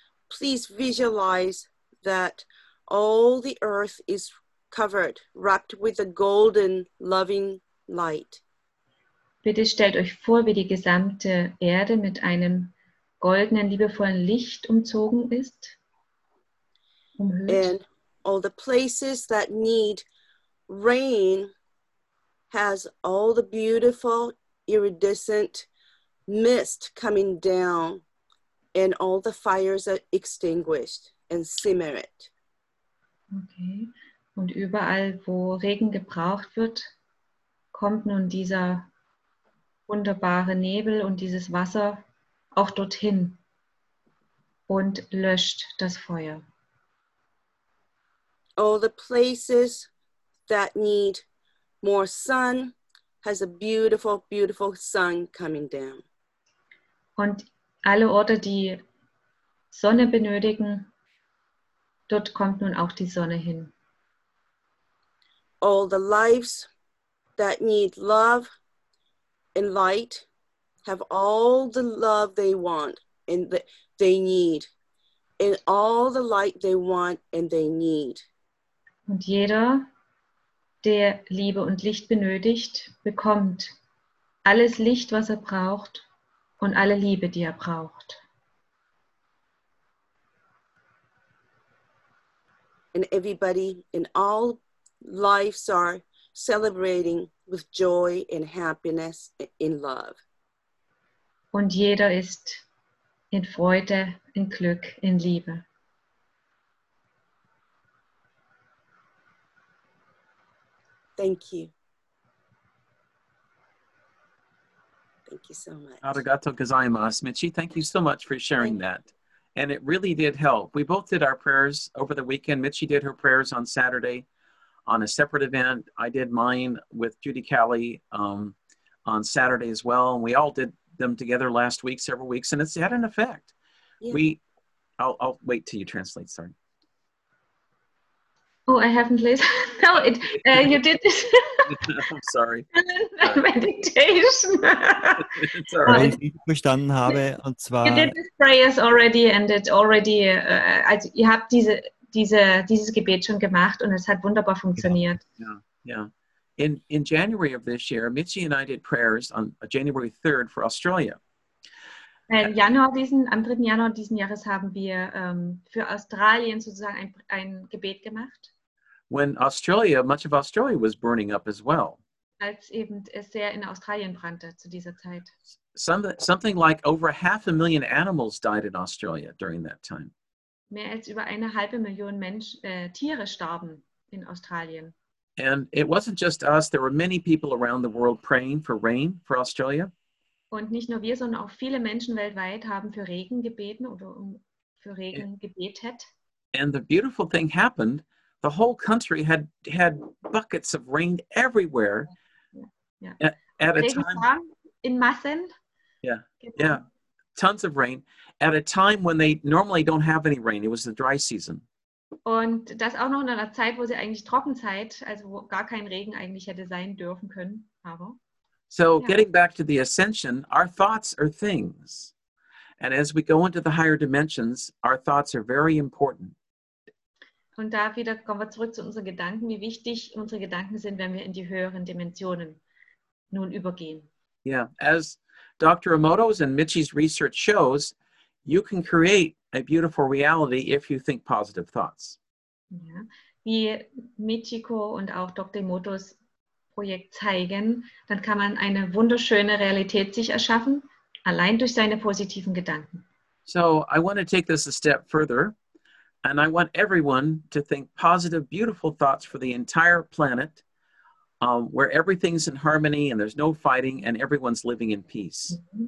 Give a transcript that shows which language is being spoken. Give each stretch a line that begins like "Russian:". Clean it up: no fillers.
English: Please visualize that all the earth is covered, wrapped with a golden, loving light.
German: Bitte stellt euch vor, wie die gesamte Erde mit einem goldenen, liebevollen Licht umzogen ist. Umhüllt.
English: And all the places that need rain has all the beautiful, iridescent mist coming down, and all the fires are extinguished and simmer it. Okay.
German: Und überall, wo Regen gebraucht wird, kommt nun dieser wunderbare Nebel und dieses Wasser auch dorthin und löscht das Feuer.
English: All the places that need more sun has a beautiful, beautiful sun coming down.
German: Und alle Orte, die Sonne benötigen, dort kommt nun auch die Sonne hin.
English: All the lives that need love and light have all the love they want and they need, and all the light they want and they need.
German: Und jeder, der Liebe und Licht benötigt, bekommt alles Licht, was er braucht, und alle Liebe, die er braucht.
English: And everybody in all lives are celebrating with joy and happiness in love.
German: Und jeder ist in Freude, in Glück, in Liebe.
English: Thank you. Thank you so much.
Japanese: Arigato gozaimasu,
English: Michi. Thank you so much for sharing that. And it really did help. We both did our prayers over the weekend. Michi did her prayers on Saturday on a separate event. I did mine with Judy Callie on Saturday as well. And we all did them together last week, several weeks, and it's had an effect. Yeah. I'll wait till you translate, sorry. Oh, I haven't listened. No, you did this. I'm sorry. Meditation. It's all right.
German: Weil ich verstanden habe, und zwar,
English: you did this prayers already, and it already, you have these.
German: Dieses Gebet schon gemacht und es hat wunderbar funktioniert.
English: Yeah. In January of this year, Michi and I did prayers on January 3rd for Australia.
German: Am 3. Januar diesen Jahres haben wir für Australien sozusagen ein Gebet gemacht.
English: When Australia, much of Australia was burning up as well.
German: Als eben es sehr in Australien brannte zu dieser Zeit.
English: Something like over 500,000 animals died in Australia during that time.
German: Mehr als über eine halbe Million Tiere starben in Australien.
English: And it wasn't just us, there were many people around the world praying for rain for Australia.
German: Und nicht nur wir, sondern auch viele Menschen weltweit haben für Regen gebeten oder für Regen gebetet.
English: And the beautiful thing happened, the whole country had buckets of rain everywhere.
German: Regen kam in Massen.
English: Tons of rain at a time when they normally don't have any rain. It was the dry season.
German: Und das auch noch in einer Zeit, wo sie eigentlich Trockenzeit, also wo gar kein Regen eigentlich hätte sein dürfen können. Aber. So ja.
English: Getting back to the ascension, our thoughts are things. And as we go into the higher dimensions, our thoughts are very important.
German: Und da wieder kommen wir zurück zu unseren Gedanken, wie wichtig unsere Gedanken sind, wenn wir in die höheren Dimensionen nun übergehen.
English: Yeah, as Dr. Emoto's and Michi's research shows, you can create a beautiful reality if you think positive thoughts.
German: Ja, wie Michiko und auch Dr. Emoto's Projekt zeigen, dann kann man eine wunderschöne Realität sich erschaffen, Allein durch seine positiven Gedanken.
English: So I want to take this a step further. And I want everyone to think positive, beautiful thoughts for the entire planet, where everything's in harmony and there's no fighting and everyone's living in peace.